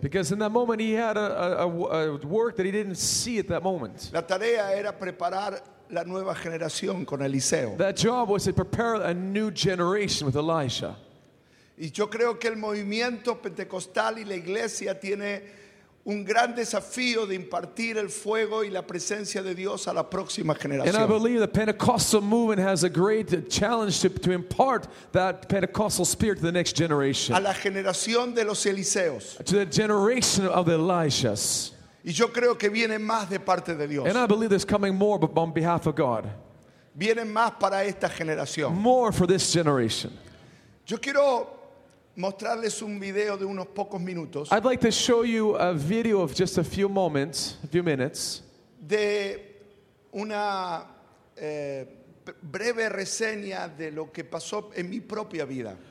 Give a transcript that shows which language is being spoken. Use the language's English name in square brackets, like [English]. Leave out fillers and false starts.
[English] Because in that moment he had a work that he didn't see at that moment. [Spanish] La tarea era preparar la nueva generación con Eliseo. [English] That job was to prepare a new generation with Elisha. [Spanish] Y yo creo que el movimiento pentecostal y la iglesia tiene un gran desafío de impartir el fuego y la presencia de Dios a la próxima generación. [English] And I believe the Pentecostal movement has a great challenge to impart that Pentecostal spirit to the next generation. [Spanish] A la generación de los Eliseos. [English] To the generation of the Elishas. [Spanish] Y yo creo que viene más de parte de Dios. [English] And I believe there's coming more on behalf of God. [Spanish] Viene más para esta generación. [English] More for this generation. [Spanish] Yo quiero mostrarles un video de unos pocos minutos. [English] I'd like to show you a video of just a few minutes. [Spanish] De una breve reseña de lo que pasó en mi propia vida.